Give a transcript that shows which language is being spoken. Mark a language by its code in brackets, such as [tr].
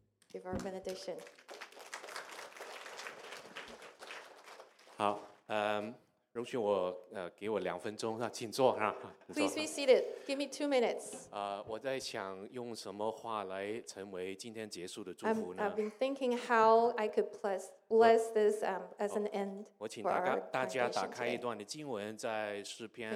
[en] Give our benediction. [zh] 好，容许我给我两分钟，请坐哈。 [en] Please be seated. Give me 2 minutes. [zh] 我在想用什么话来成为今天结束的祝福呢？ [en] I've been thinking how I could bless this as an end. [zh] 我请大家打开一段的经文，在诗篇。